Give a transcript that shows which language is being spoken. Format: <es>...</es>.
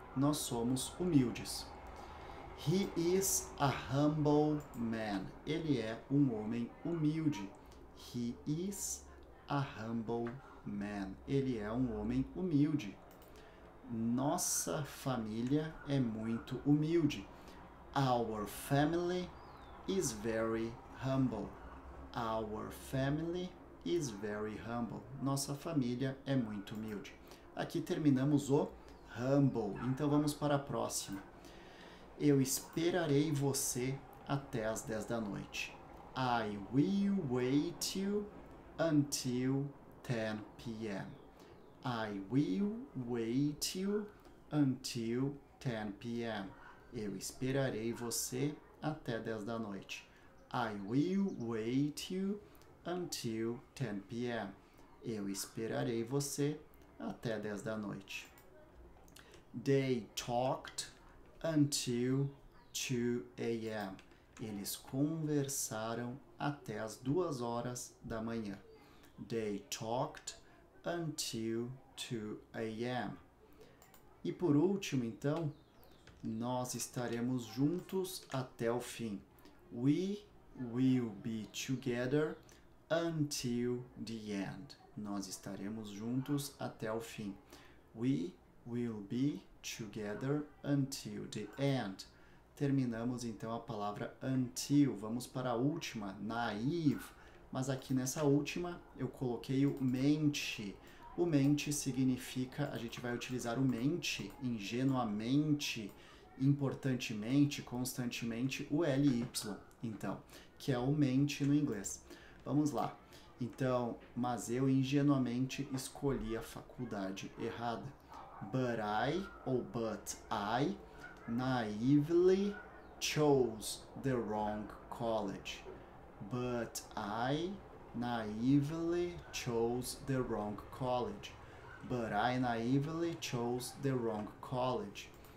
<pt>Nós somos humildes.</pt> <en>He is a humble man.</en> <pt>Ele é um homem humilde.</pt> <en>He is a humble man.</en> <pt>Ele é um homem humilde. Nossa família é muito humilde.</pt> <en>Our family is very humble. Our family is very humble.</en> <pt>Nossa família é muito humilde. Aqui terminamos o humble. Então vamos para a próxima. Eu esperarei você até às 10 da noite.</pt> <en>I will wait you until 10 p.m. I will wait you until 10 p.m.</en> <pt>Eu esperarei você até 10 da noite.</pt> <en>I will wait you until 10 p.m.</en> <pt>Eu esperarei você até 10 da noite.</pt> <en>They talked until 2 a.m.</en> <pt>Eles conversaram até as 2 horas da manhã.</pt> <en>They talked until 2 a.m.</en> <pt>E por último, então, nós estaremos juntos até o fim.</pt> <en>We will be together until the end.</en> <pt>Nós estaremos juntos até o fim.</pt> <en>We will be together until the end.</en> <pt>Terminamos então a palavra until. Vamos para a última, naive. Mas aqui nessa última eu coloquei o mente. O mente significa, a gente vai utilizar o mente, ingenuamente, importantemente, constantemente, o LY, então, que é o mente no inglês. Vamos lá. Então, mas eu ingenuamente escolhi a faculdade errada.</pt> <en>But I, ou but I, naively chose the wrong college. But I naively chose the wrong college. But I naively chose the wrong college.</en>